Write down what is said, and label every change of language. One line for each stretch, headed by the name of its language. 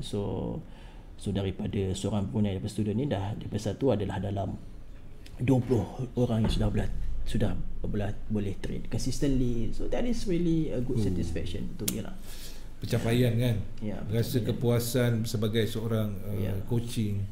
Malay: So daripada seorang punya daripada student ni, dah daripada satu adalah dalam 20 orang yang sudah boleh
English: train consistently. So that is really a good satisfaction to me lah.
Malay: Pencapaian kan?
English: Yeah,
Malay: rasa pencapaian. Kepuasan sebagai seorang coaching.